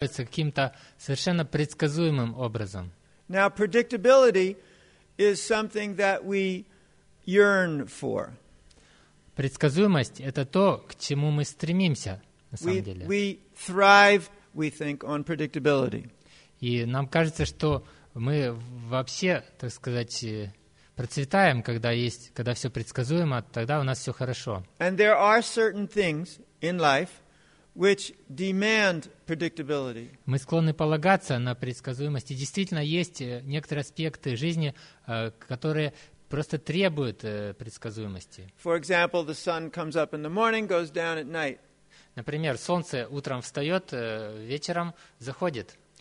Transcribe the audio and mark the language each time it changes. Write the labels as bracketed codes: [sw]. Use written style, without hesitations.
[ru] с каким-то совершенно предсказуемым образом. [en] Now, predictability is something that we yearn for. [ru] Предсказуемость — это то, к чему мы стремимся, на самом деле. [en] We thrive, we think, on predictability. [ru] И нам кажется, что мы вообще, так сказать, процветаем, когда есть, когда все предсказуемо, тогда у нас все хорошо. [en] And there are certain things in life which demand predictability. [ru] Мы склонны полагаться на предсказуемость. И действительно, есть некоторые аспекты жизни, которые просто требуют предсказуемости. [en] For example, the sun comes up in the morning, goes down at night. [ru] Например, солнце утром встает, вечером заходит.